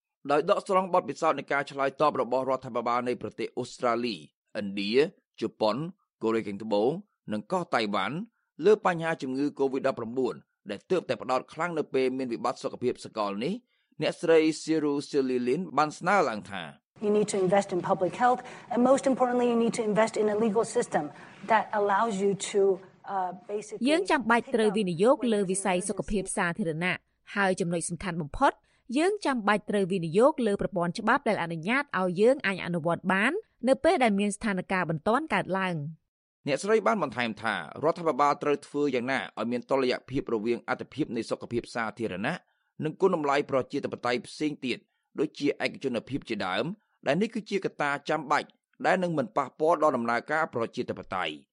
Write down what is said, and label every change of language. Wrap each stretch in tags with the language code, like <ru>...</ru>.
<km>ដោយដកស្រង់បទពិសោធន៍នៃការឆ្លើយតបរបស់រដ្ឋាភិបាលនៃប្រទេសអូស្ត្រាលីឥណ្ឌាជប៉ុនកូរ៉េខាងត្បូងនិងកោះតៃវ៉ាន់លើបញ្ហាជំងឺ COVID-19 ដែលទើបតែផ្ដោតខ្លាំងនៅពេលមានវិបត្តិសុខភាពសកលនេះអ្នកស្រី Siru Silin បានស្នើឡើងថា</km> <en>You need to invest in public health and most importantly you need to invest in a legal system that allows you to basically</en> <km>យើងចាំបាច់ត្រូវវិនិយោគលើវិស័យសុខភាពសាធារណៈហើយចំណុចសំខាន់បំផុតយើងចាំបាច់ត្រូវវិនិយោគលើប្រព័ន្ធច្បាប់ដែលអនុញ្ញាតឲ្យយើងអាចអនុវត្តបាននៅពេលដែលមានស្ថានភាពបន្ទាន់កើតឡើង អ្នកស្រីបានបន្ថែមថារដ្ឋាភិបាលត្រូវធ្វើយ៉ាងណាឲ្យមានតុល្យភាពរវាងអត្ថប្រយោជន៍នៃសុខភាពសាធារណៈនិងគុណតម្លៃប្រជាធិបតេយ្យផ្សេងទៀតដូចជាឯកជនភាពជាដើមដែលនេះគឺជាកត្តាចាំបាច់ដែលនឹងមិនប៉ះពាល់ដល់ដំណើរការប្រជាធិបតេយ្យ</km>